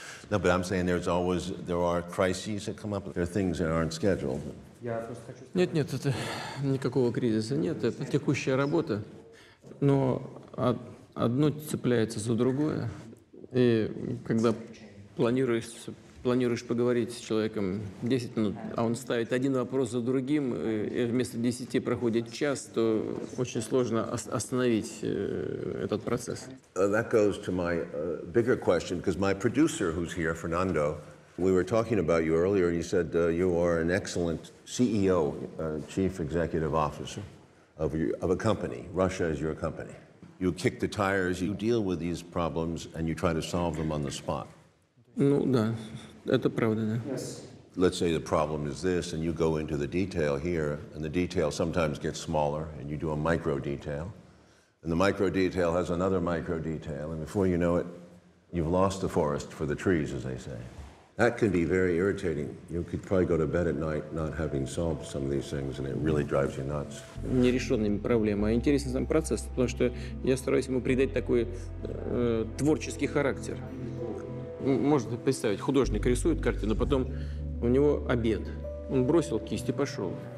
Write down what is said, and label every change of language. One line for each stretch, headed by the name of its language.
English: No, but I'm saying there's always, there are crises that come up. There are things that aren't scheduled.
Russian: Нет, нет, это никакого кризиса нет. Это текущая работа. Но одно цепляется за другое. И когда планируешь поговорить с человеком 10 минут, а он ставит один вопрос за другим, и вместо 10 проходит час, то очень сложно остановить этот процесс.
English: That goes to my bigger question, because my producer, who's here, Fernando, we were talking about you earlier, and he said you are an excellent CEO, chief executive officer of a company. Russia is your company. You kick the tires, you deal with these problems, and you try to solve them on the spot.
Russian: Ну да, это правда, да.
English: Let's say the problem is this, and you go into the detail here, and the detail sometimes gets smaller, and you do a micro detail, and the micro detail has another micro detail, and before you know it, you've lost the forest for the trees, as they say. That can be very irritating. You could probably go to bed at night not having solved some of these things, and it really drives you nuts.
Russian: Нерешенными проблемами, а интересен сам процесс, потому что я стараюсь ему придать такой творческий характер. Можно представить, художник рисует картину, потом у него обед. Он бросил кисть и пошел.